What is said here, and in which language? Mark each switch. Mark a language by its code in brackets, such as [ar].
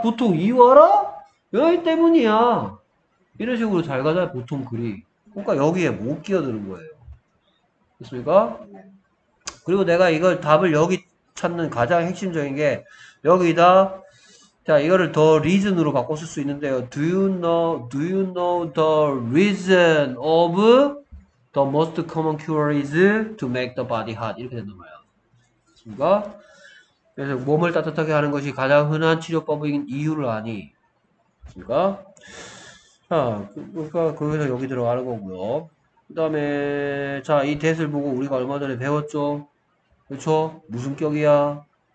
[ko] 보통 이유 알아? 여기 때문이야. 이런 식으로 잘 가잖아, 보통 글이. 그러니까 여기에 못 끼어드는 거예요. 됐습니까? 그리고 내가 이걸 답을 여기 찾는 가장 핵심적인 게, 여기다, 자, 이거를 [en] the reason으로 [ko] 바꿨을 수 있는데요. [en] Do you know the reason of the most common cure is to make the body hot? [ko] 이렇게 되는 거예요. 됐습니까? 그래서 몸을 따뜻하게 하는 것이 가장 흔한 치료법인 이유를 아니. 그러니까, 자, 그러니까 거기서 여기 들어가는 거고요. 그다음에 자, 이 뎃을 보고 우리가 얼마 전에 배웠죠? 그렇죠? 무슨 격이야?